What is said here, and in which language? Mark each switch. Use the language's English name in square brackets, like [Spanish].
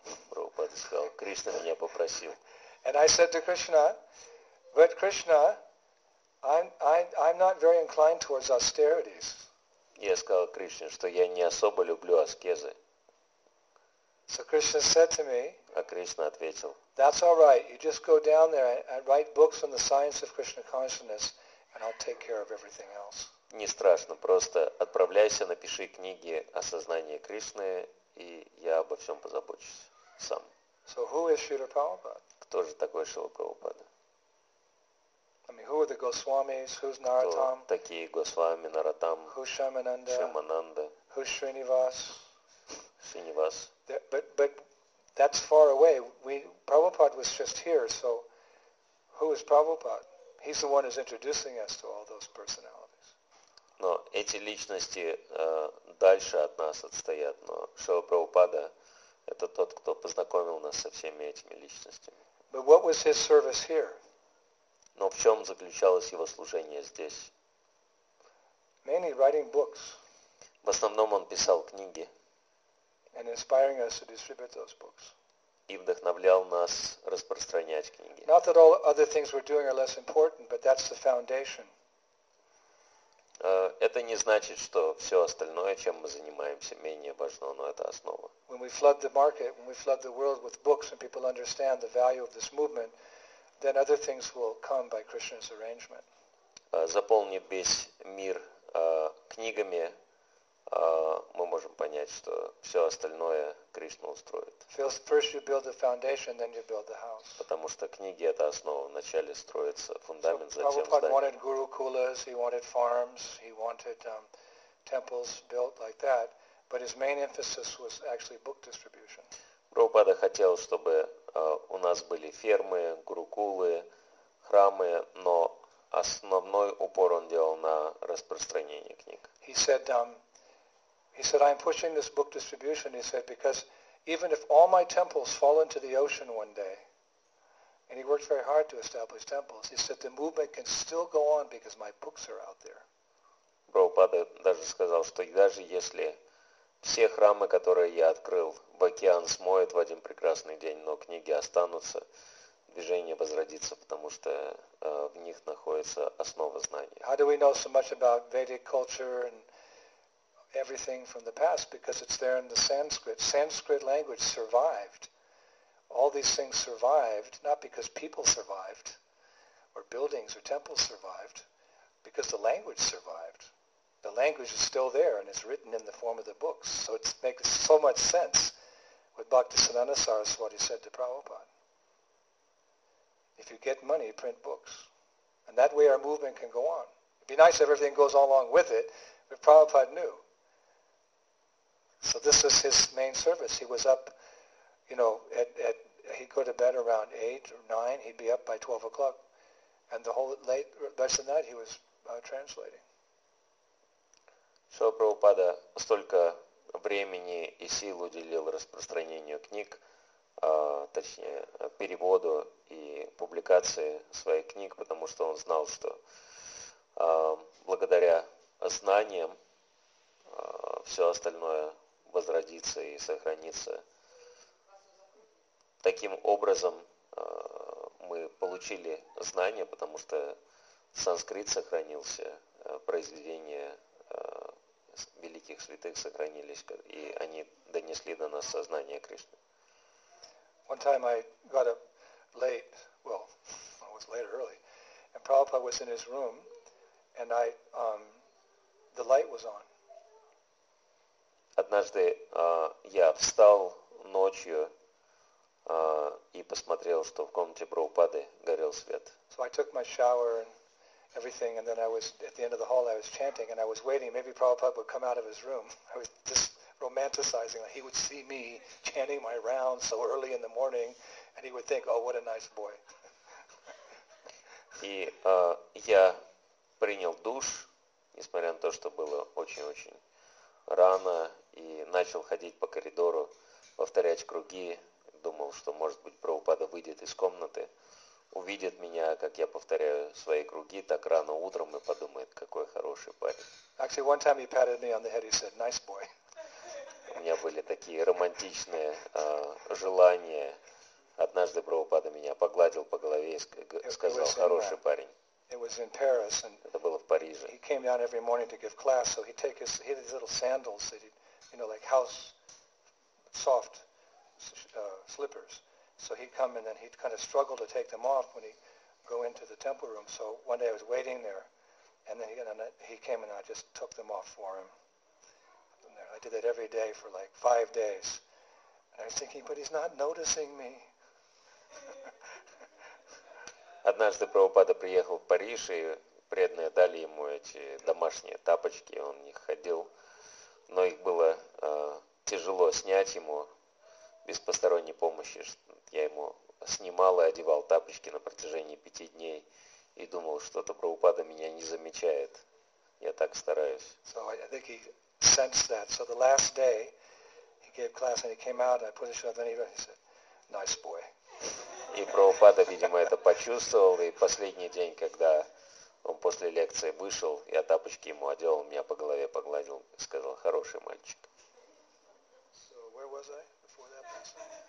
[Russian] Прабхупада сказал, Кришна меня попросил. [English] And I said to Krishna, but Krishna, I'm not very inclined towards austerities. [Russian] Я сказал Кришне, что я не особо люблю аскезы. [English] So Krishna said to me, [Russian] а Кришна ответил, [English] that's all right, you just go down there and write books on the science of Krishna consciousness and I'll take care of everything else. [Russian] Не страшно, просто отправляйся, напиши книги о сознании Кришны, и я обо всем позабочусь сам. [English] So who is Śrīla Prabhupāda? [Russian] Кто же такой Шрила Прабхупада? [English] I mean, who are the Goswamis? Who's Naratam? [Russian] Кто такие Госвами, Наратам? [English] Who's Шамананда? [Russian] Шамананда? [English] Who's Шринивас? [Russian] Шринивас. [English] But that's far away. Prabhupada was just here, so who is Prabhupada? He's the one who's introducing us to all those personalities. [Russian] Но эти личности дальше от нас отстоят, но Шрила Прабхупада это тот, кто познакомил нас со всеми этими личностями. [English] But what was his service here? [Russian] Но в чем заключалось его служение здесь? [English] Mainly writing books. [Russian] В основном он писал книги. [English] And inspiring us to distribute those books. [Russian] И вдохновлял нас распространять книги. [English] Not that all other things we're doing are less important, but that's the foundation. [Russian] Это не значит, что все остальное, чем мы занимаемся, менее важно, но это основа. [English] When we flood the market, when we flood the world with books and people understand the value of this movement, then other things will come by Krishna's arrangement. [Russian] Заполнив весь мир книгами, мы можем понять, что все остальное Кришна устроит. [English] First you build the foundation, then you build the house. [Russian] Потому что книги — это основа. Вначале строится фундамент, затем здание. [English] Prabhupada wanted gurukulas, he wanted farms, he wanted temples built like that. But his main emphasis was actually book distribution. [Russian] Прабхупада хотел, чтобы у нас были фермы, гурукулы, храмы, но основной упор он делал на распространение книг. [English] He said, I'm pushing this book distribution, he said, because even if all my temples fall into the ocean one day, and he worked very hard to establish temples, he said, the movement can still go on because my books are out there. [Russian] Прабхупада даже сказал, что даже если все храмы, которые я открыл, в океан смоет в один прекрасный день, но книги останутся, движение возродится, потому что в них находится основа знания. [English] How do we know so much about Vedic culture and everything from the past? Because it's there in the Sanskrit. Sanskrit language survived. All these things survived, not because people survived, or buildings or temples survived, because the language survived. The language is still there, and it's written in the form of the books. So it makes so much sense with Bhaktisiddhanta Saraswati said to Prabhupada. If you get money, print books. And that way our movement can go on. It'd be nice if everything goes along with it, but Prabhupada knew. So this is his main service. He was up, you know, he'd go to bed around 8 or 9, he'd be up by 12 o'clock. And the whole late rest of the night he was translating. [Russian] Что Прабхупада столько времени и сил уделил распространению книг, точнее, переводу и публикации своих книг, потому что он знал, что благодаря знаниям все остальное возродится и сохранится. Таким образом мы получили знания, потому что санскрит сохранился, произведения великих святых сохранились, и они донесли до нас сознание Кришны. [English] One time I got up late, well, I was late early, and Prabhupada was in his room, and I, the light was on. [Russian] Однажды я встал ночью и посмотрел, что в комнате Прабхупады горел свет. [English] So I took my shower and everything, and then I was at the end of the hall. I was chanting, and I was waiting. Maybe Prabhupada would come out of his room. I was just romanticizing that he would see me chanting my rounds so early in the morning, and he would think, "Oh, what a nice boy." [Russian] И я принял душ, несмотря на то, что было очень-очень рано, и начал ходить по коридору, повторять круги. Думал, что может быть Прабхупада выйдет из комнаты. Увидит меня, как я повторяю свои круги, так рано утром и подумает, какой хороший парень. [English] Actually, one time he patted me on the head, he said, "Nice boy." [Russian] У меня были такие романтичные желания. Однажды Прабхупада меня погладил по голове и сказал, хороший парень. [English] It was in Paris, and [Russian] это было в Париже. [English] He came down every morning to give class, so he'd take his little sandals, that he'd, you know, like house soft slippers. So he'd come and then he'd kind of struggle to take them off when he'd go into the temple room. So one day I was waiting there, and then he came and I just took them off for him. I did that every day for like 5 days. And I was thinking, but he's not noticing me. [Russian] Однажды Прабхупада приехал в Париж, и преданные дали ему эти домашние тапочки, он в них ходил. Но их было тяжело снять ему без посторонней помощи. Я ему снимал и одевал тапочки на протяжении 5 дней и думал, что-то Прабхупада меня не замечает. Я так стараюсь. [English] So I think he sensed that. So the last day he gave class and he came out and I put his shoulder and he said, "Nice boy." [Russian] И Прабхупада, видимо, это почувствовал, и последний день, когда он после лекции вышел, я тапочки ему одел, меня по голове погладил и сказал, "Хороший мальчик." [English] So where was I before that lesson?